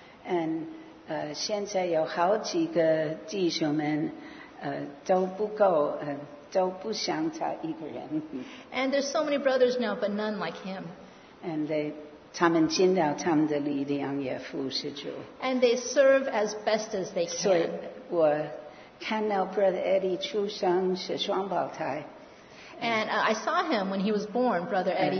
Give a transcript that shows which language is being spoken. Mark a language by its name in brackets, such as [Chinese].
[Chinese] And 现在有好几个弟兄们 都不够，都不像他一个人。 [English] And there's so many brothers now, but none like him. [Chinese] And 他们尽到他们的力量也服侍主。 [English] And they serve as best as they can. [Chinese] 所以我看到 Brother Eddie 出生是双胞胎。 [English] And I saw him when he was born, Brother Eddie.